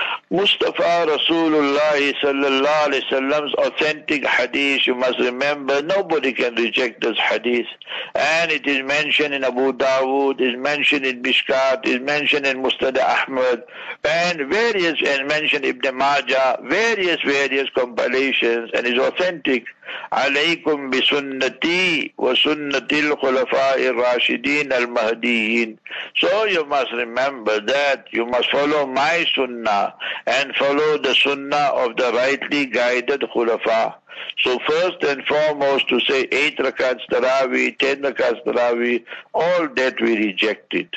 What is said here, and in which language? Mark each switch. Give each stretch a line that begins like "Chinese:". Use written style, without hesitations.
English: Mustafa Rasulullah sallallahu alaihi wasallam's authentic hadith, you must remember, nobody can reject this hadith. And it is mentioned in Abu Dawood, it is mentioned in Mishkat, it is mentioned in Mustad Ahmad, and various, and mentioned Ibn Majah, various compilations, and is authentic.
Arabic: عليكم بسنتي وسنت الخلفاء الراشدين المهديين.
English: So you must remember that you must follow my sunnah and follow the sunnah of the rightly guided khulafa. So first and foremost, to say 8 rakats tarawih, 10 rakats tarawih, all that we rejected.